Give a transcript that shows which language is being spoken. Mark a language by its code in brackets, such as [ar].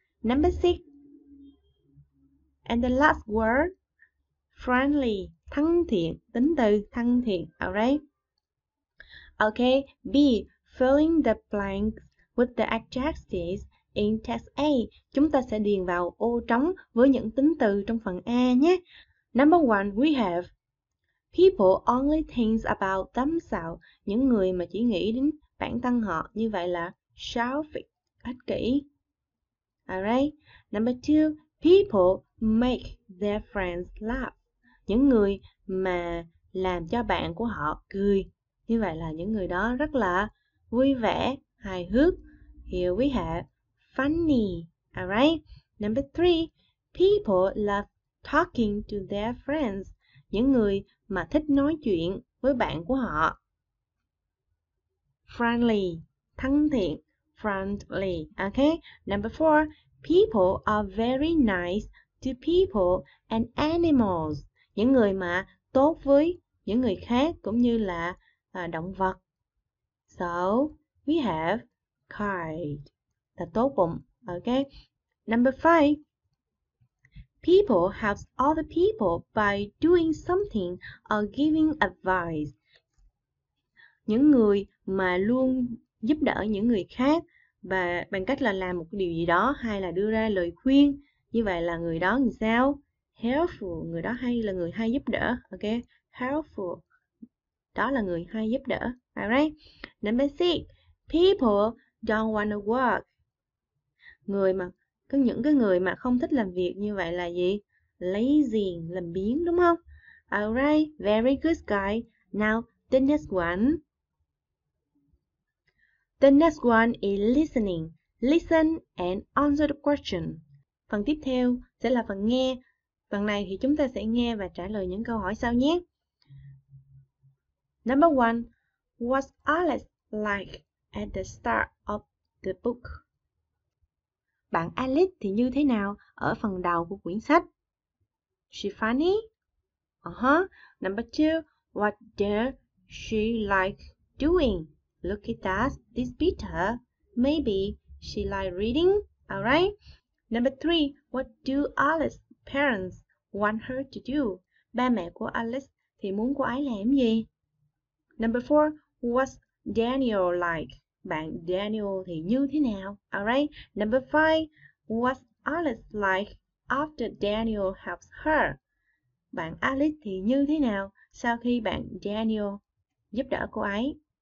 [en] Number 6, and the last word, friendly. [vi] Thân thiện. Tính từ thân thiện. [en] Alright? Okay, B, filling the blanks with the adjectives. In text A, [vi] chúng ta sẽ điền vào ô trống với những tính từ trong phần A nhé. [en] Number 1, we have people only thinks about themselves. [vi] Những người mà chỉ nghĩ đến bản thân họ, như vậy là selfish, ích kỷ. Alright. [en] Number 2, people make their friends laugh. [vi] Những người mà làm cho bạn của họ cười, như vậy là những người đó rất là vui vẻ, hài hước. [en] Here we have funny. Alright. Number 3. People love talking to their friends. [vi] Những người mà thích nói chuyện với bạn của họ. [en] Friendly. [vi] Thân thiện. [en] Friendly. Okay. Number 4. People are very nice to people and animals. [vi] Những người mà tốt với những người khác cũng như là động vật. [en] So, we have kind. [vi] Là tốt bụng. [en] Okay. Number 5. People helps other people by doing something or giving advice. [vi] Những người mà luôn giúp đỡ những người khác và bằng cách là làm một điều gì đó hay là đưa ra lời khuyên, như vậy là người đó làm sao? Helpful, người đó hay là người hay giúp đỡ. [en] Okay. Helpful. [vi] Đó là người hay giúp đỡ. [en] Alright. Number 6. People don't want to work. [vi] Người mà có những cái người mà không thích làm việc như vậy là gì? Lazy, làm biếng, đúng không? [en] Alright, very good guy. Now the next one. The next one is listening. Listen and answer the question. [vi] Phần tiếp theo sẽ là phần nghe. Phần này thì chúng ta sẽ nghe và trả lời những câu hỏi sau nhé. [en] Number 1. What's Alice like at the start of the book? [vi] Bạn Alice thì như thế nào ở phần đầu của quyển sách? [en] She funny? Number 2, what does she like doing? Look at that, this picture. Maybe she like reading, alright? Number 3, what do Alice's parents want her to do? [vi] Ba mẹ của Alice thì muốn cô ấy làm gì? [en] Number 4, what's Daniel like? [vi] Bạn Daniel thì như thế nào? [en] Alright. Number 5. What's Alice like after Daniel helps her? [vi] Bạn Alice thì như thế nào sau khi bạn Daniel giúp đỡ cô ấy?